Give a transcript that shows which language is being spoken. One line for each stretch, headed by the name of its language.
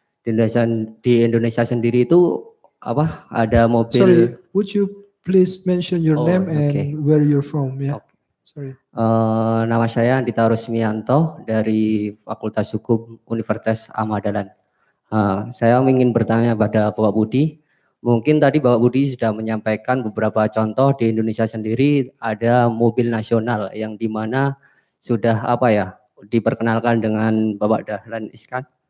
Indonesian: Di Indonesia sendiri itu ada mobil.
English: Sorry, would you please mention your name and where you're from? Yeah. Okay. Sorry.
Indonesian: Nama saya Andita Rusmianto dari Fakultas Hukum Universitas Ahmadalan. Saya ingin bertanya pada Bapak Budi. Mungkin tadi Bapak Budi sudah menyampaikan beberapa contoh di Indonesia sendiri ada mobil nasional yang di mana sudah diperkenalkan dengan Bapak Dahlan Iskan.